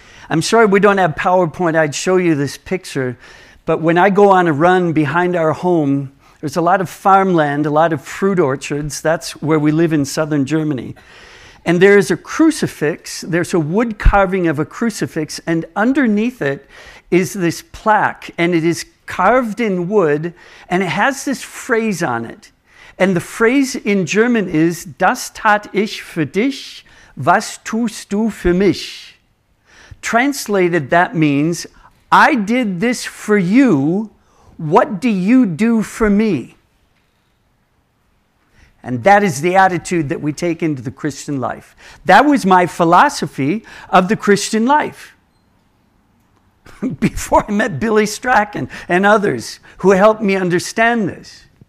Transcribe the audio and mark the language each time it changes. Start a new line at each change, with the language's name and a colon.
English: I'm sorry we don't have PowerPoint. I'd show you this picture. But when I go on a run behind our home, there's a lot of farmland, a lot of fruit orchards. That's where we live in southern Germany. And there is a crucifix. There's a wood carving of a crucifix. And underneath it is this plaque. And it is carved in wood. And it has this phrase on it. And the phrase in German is,
German: Das tat ich für dich, was tust du für mich?
English: Translated, that means, I did this for you, what do you do for me? And that is the attitude that we take into the Christian life. That was my philosophy of the Christian life before I met Billy Strachan and others who helped me understand this.